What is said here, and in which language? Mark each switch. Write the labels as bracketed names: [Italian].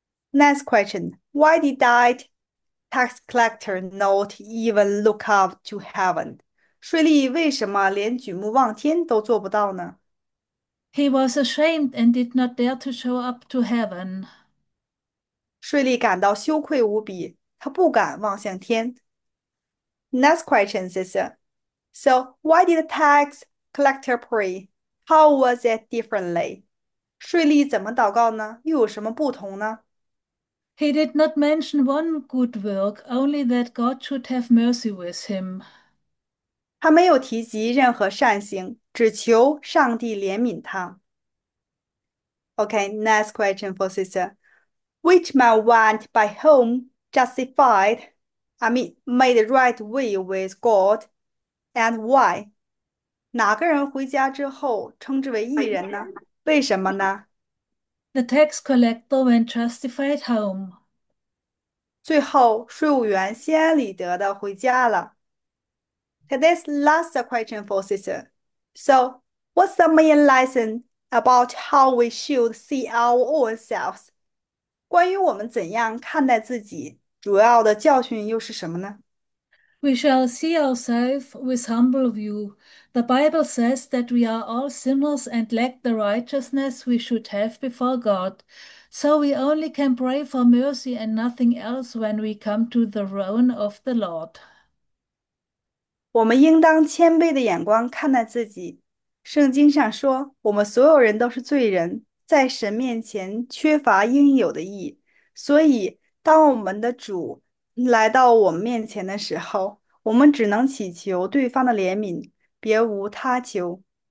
[English] Next question: Why did that tax collector not even look up to heaven? [Chinese] 税吏为什么连举目望天都做不到呢？ [English] He was ashamed and did not dare to show up to heaven. [Chinese] 税吏感到羞愧无比，他不敢望向天。 [English] Next question, sister. So, why did the tax collector pray? How was it differently? [Chinese] 税吏怎么祷告呢？又有什么不同呢？ [English] He did not mention one good work, only that God should have mercy with him. [Chinese] 他没有提及任何善行，只求上帝怜悯他。 [English] Okay, next question for sister. Which man went by whom justified, I mean, made right way with God, and why? [Chinese] 哪个人回家之后称之为义人呢？为什么呢？ [English] The tax collector went justified home. [Chinese] 最后，税务员心安理得的回家了。 [English] Today's last question for sister. So, what's the main lesson about how we should see our own selves? [Chinese] 关于我们怎样看待自己，主要的教训又是什么呢？ [English] We shall see ourselves with humble view. The Bible says that we are all sinners and lack the righteousness we should have before God. So we only can pray for mercy and nothing else when we come to the throne of the Lord. [Chinese] 我们应当谦卑的眼光看待自己。圣经上说，我们所有人都是罪人，在神面前缺乏应有的义。所以，当我们的主来到我们面前的时候，我们只能祈求对方的怜悯，别无他求。